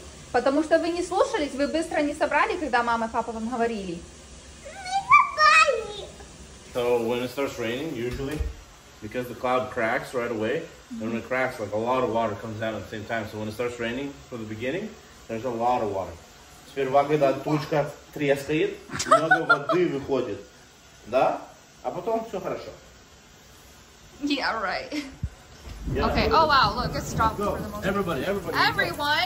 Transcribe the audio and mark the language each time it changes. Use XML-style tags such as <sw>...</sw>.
<ru>Потому что вы не слушались, вы быстро не собрали, когда мама и папа вам говорили. Мы собрали.</ru> <en>So when it starts raining, usually, because the cloud cracks right away, mm-hmm. And when it cracks, like a lot of water comes down at the same time. So when it starts raining from the beginning, there's a lot of water.</en> <ru>Сперва, когда тучка трескает, много воды выходит, да? А потом все хорошо.</ru> <en>Yeah, right. Yeah, okay, oh wow, look, it's dropped for the moment.</en>